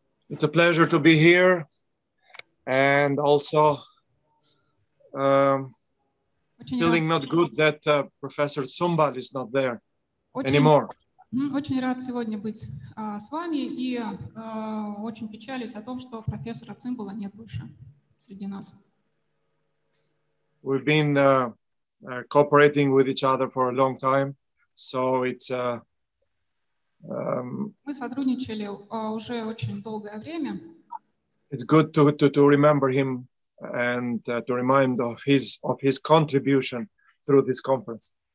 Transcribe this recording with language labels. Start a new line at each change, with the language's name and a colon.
English: It's a pleasure to be here and also feeling not good that Professor Tsymbal is not there anymore.
Russian: Очень рад сегодня быть с вами и очень печалюсь о том, что профессора Цимбала нет больше среди нас.
English: We've been cooperating with each other for a long time, so it's
Russian: мы сотрудничали уже очень долгое время.
English: It's good to remember him and to remind of his contribution through this conference.